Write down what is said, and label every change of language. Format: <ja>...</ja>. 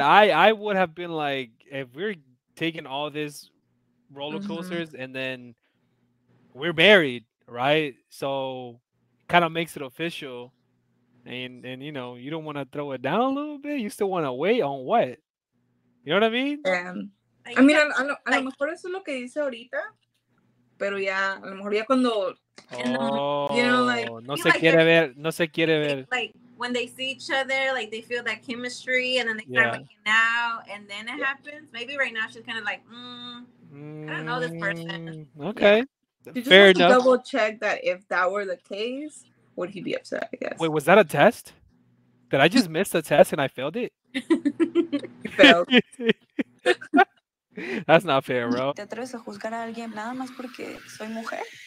<en>I would have been like, if we're taking all these roller coasters and then we're married, right? So kind of makes it official. And you know, you don't want to throw it down a little bit. You still want to wait on what? You know what I mean? Yeah. I mean,</en> <es>a lo mejor eso es lo que dice ahorita. Pero ya, a lo mejor ya cuando... No se quiere ver.</es> <en>Like, when they see each other, like, they feel that chemistry. And then they start making out. And then it happens. Maybe right now she's kind of like, I don't know this person. Okay. Yeah. Fair enough. Just double check that if that were the case, would he be upset? I guess. Wait, was that a test? Did I just miss the test and I failed it? Failed. That's not fair, bro.</en> <es>¿Te atreves a juzgar a alguien nada más porque soy mujer?</es>